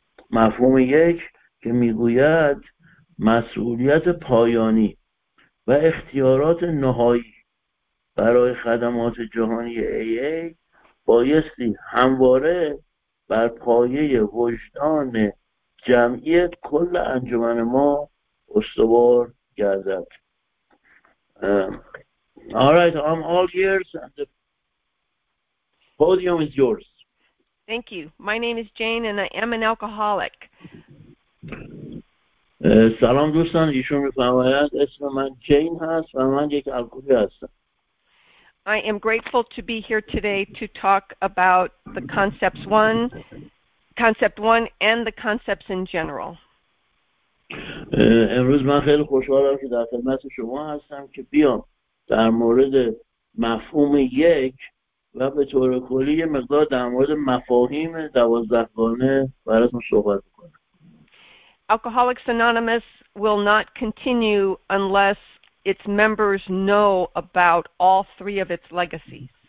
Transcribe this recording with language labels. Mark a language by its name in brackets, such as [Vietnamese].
[Persian] مفهوم 1 که می گوید مسئولیت پایانی و اختیارات نهایی برای خدمات جهانی AA بایستی همواره بر پایه وجدان جمعی کل انجمن ما استوار گردد. [English] Alright, I'm all ears and the podium is yours. Thank you. My name is Jane and I am an alcoholic. [Persian] سلام دوستان، ایشون می‌فرمایند اسم من جین هست و من یک الکلی هستم. [English] I am grateful to be here today to talk about the concept one and the concepts in general. [Persian] امروز من خیلی خوشحالم که در خدمت شما هستم که بیام در مورد مفهوم 1 و به طور کلی یه مقدار در مورد مفاهیم 12 گانه براتون صحبت کنم. [English] Alcoholics Anonymous will not continue unless its members know about all 3 of its legacies.